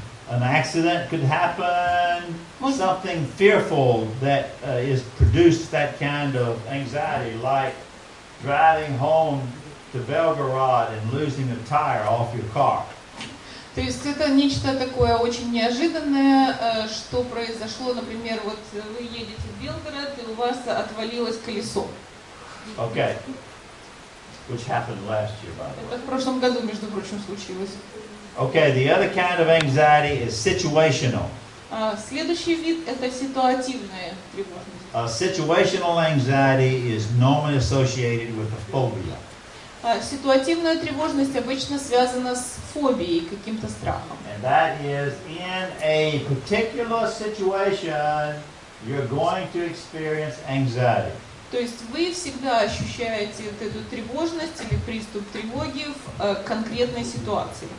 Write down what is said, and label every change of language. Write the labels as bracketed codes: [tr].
[en] An accident could happen. Something fearful that is produced that kind of anxiety, like driving home to Belgorod and losing a tire off your car. [ru] То есть это нечто такое очень неожиданное, что произошло, например, вот вы едете в Белгород, и у вас отвалилось колесо. [en] Okay. Which happened last year, by the way. [ru] Это в прошлом году, между прочим, случилось. [en] Okay, the other kind of anxiety is situational. [ru] Следующий вид – это ситуативная тревожность. [en] A situational anxiety is normally associated with a phobia. [ru] Ситуативная тревожность обычно связана с фобией, каким-то страхом. [en] And that is in a particular situation, you're going to experience anxiety. [ru] То есть вы всегда ощущаете вот эту тревожность или приступ тревоги в конкретной ситуации.